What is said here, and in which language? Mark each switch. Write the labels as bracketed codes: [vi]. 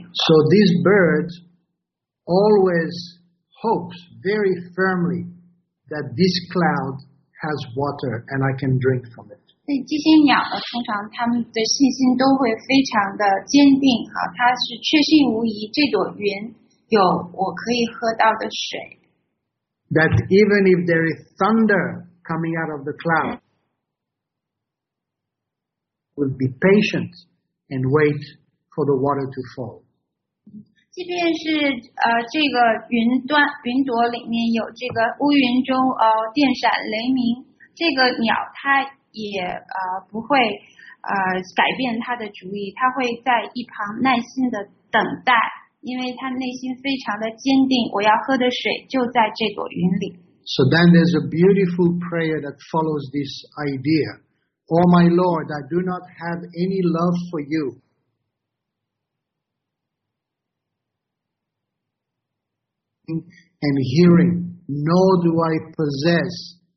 [en] So this bird always hopes very firmly that this cloud has water and I can drink from it. [zh] 所以这些鸟呢，通常他们的信心都会非常的坚定啊，它是确信无疑，这朵云有我可以喝到的水。 [en] That even if there is thunder coming out of the cloud, will be patient and wait for the water to fall. [zh] 即便是这个云朵里面有这个乌云中电闪雷鸣，这个鸟它。也不会改变他的主意，他会在一旁耐心的等待，因为他内心非常的坚定，我要喝的水就在这朵云里。 [en] So then there's a beautiful prayer that follows this idea. Oh my Lord, I do not have any love for you. And hearing, nor do I possess.